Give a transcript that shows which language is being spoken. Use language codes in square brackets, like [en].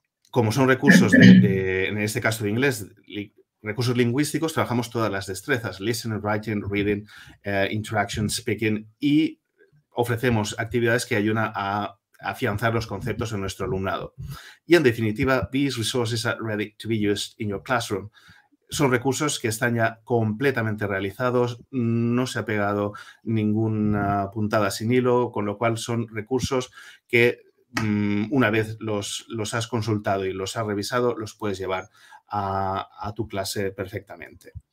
[es] Como son recursos en este caso de inglés, recursos lingüísticos, trabajamos todas las destrezas: listening, writing, reading, interaction, speaking, y ofrecemos actividades que ayudan a afianzar los conceptos en nuestro alumnado. Y en definitiva, [en] these resources are ready to be used in your classroom. [es] Son recursos que están ya completamente realizados, no se ha pegado ninguna puntada sin hilo, con lo cual son recursos que una vez los has consultado y los has revisado, los puedes llevar a tu clase perfectamente.